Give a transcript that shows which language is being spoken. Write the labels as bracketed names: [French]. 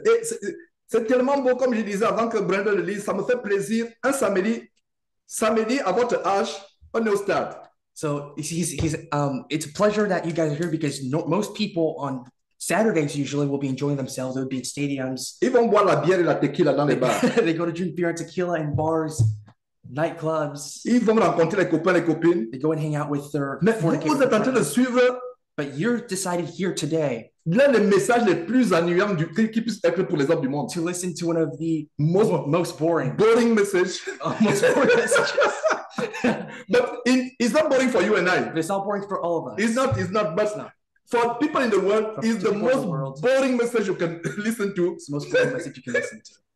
[French] Et c'est tellement beau, comme je disais avant que Brenda le lise, ça me fait plaisir. Un samedi à votre âge, on est au stade. [English] So, it's a pleasure that you guys are here because most people on Saturdays usually will be enjoying themselves. They'll be in stadiums. [French] Ils vont boire la bière et la tequila dans les bars. [English] They go to drink beer and tequila in bars. Nightclubs. [French] Ils vont rencontrer les copains, les copines. [English] They go and hang out with their. [French] Mais vous êtes en train de suivre. [English] But you're decided here today. [French] L'un des messages les plus ennuyants du qui puisse être pour les hommes du monde. [English] To listen to one of the most boring. Boring message. Most boring messages. But it's not boring for you and I. It's not boring for all of us. It's not. But it's not. for people in the world, is the most boring message you can listen to. It's the most boring message you can listen to.